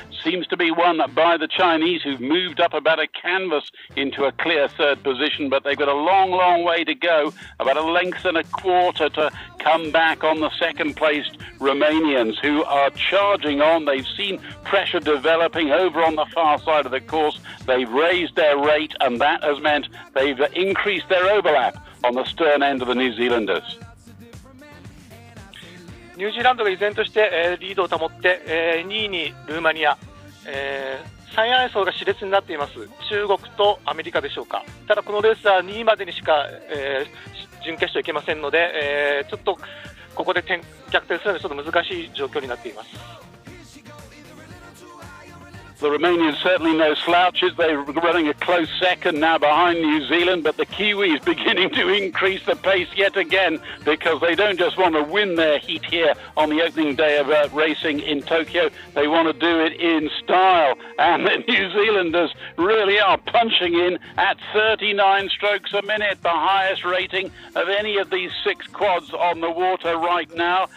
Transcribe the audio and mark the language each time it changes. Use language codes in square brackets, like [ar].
[en] Seems to be won by the Chinese who've moved up about a canvas into a clear third position, but they've got a long, long way to go, about a length and a quarter to come back on the second-placed Romanians who are charging on. They've seen pressure developing over on the far side of the course. They've raised their rate, and that has meant they've increased their overlap on the stern end of the New Zealanders. [ja] ニュージーランドが依然として、リードを保って、2位にルーマニア、3位争いが熾烈になっています。中国とアメリカでしょうか。ただこのレースは2位までにしか、準決勝いけませんので、ちょっとここで逆転するのはちょっと難しい状況になっています。 [en] The Romanians certainly no slouches. They're running a close second now behind New Zealand, but the Kiwis beginning to increase the pace yet again because they don't just want to win their heat here on the opening day of racing in Tokyo. They want to do it in style. And the New Zealanders really are punching in at 39 strokes a minute, the highest rating of any of these six quads on the water right now.